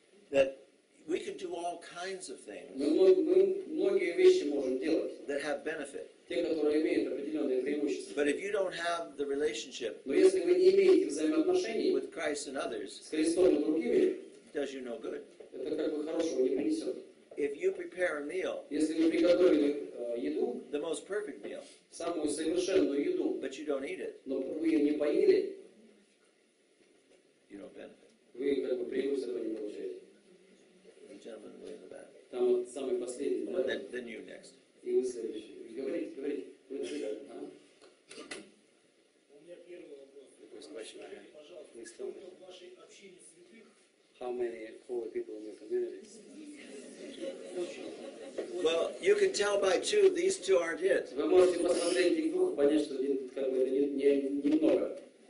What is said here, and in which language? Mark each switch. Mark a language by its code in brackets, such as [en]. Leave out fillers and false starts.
[en] That we can do all kinds of things. [ru] Мы многие вещи можем делать. [en] That have benefit. [ru] Те, которые имеют определенные преимущества. [en] But if you don't have the relationship. [ru] Но если вы не имеете взаимоотношений. [en] With Christ and others. [ru] С Христом и другими. [en] Does you no good. [ru] Это как бы хорошего не принесет. [en] If you prepare a meal. [ru] Если вы приготовили еду. [en] The most perfect meal. [ru] Самую совершенную еду. [en] But you don't eat it. [ru] Но вы ее не поели. [en] You don't benefit. [ru] Вы как бы прибыль с этого не получаете. [en] The gentleman way in the back. [ru] Там вот самый последний. [en] Well, then you next. [ru] И вы следующий. Говорите. У меня первый вопрос. Пожалуйста, в вашей общине святых? [en] How many holy people in your community? Well, you can tell by two, these two aren't it. [ru] Вы можете посмотреть этих двух, понять, что один как бы это немного.